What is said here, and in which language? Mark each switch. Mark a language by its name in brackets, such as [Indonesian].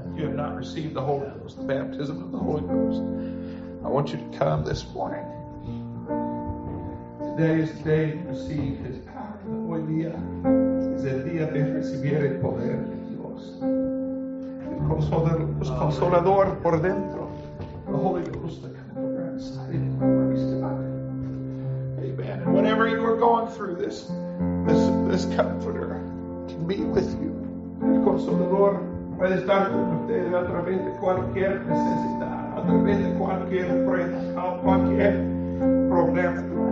[English] If you have not received the Holy Ghost, the baptism of the Holy Ghost, I want you to come this morning. Today is the day to receive His power. [Spanish] Hoy día es el día de recibir el poder de Dios. El consolador por dentro. [English] The Holy Ghost, the Comforter, inside of you. Amen. And whatever you are going through, this Comforter can be with you. [Spanish] El Consolador puede estar con ustedes a través de cualquier necesidad, a través de cualquier prueba, a cualquier problema.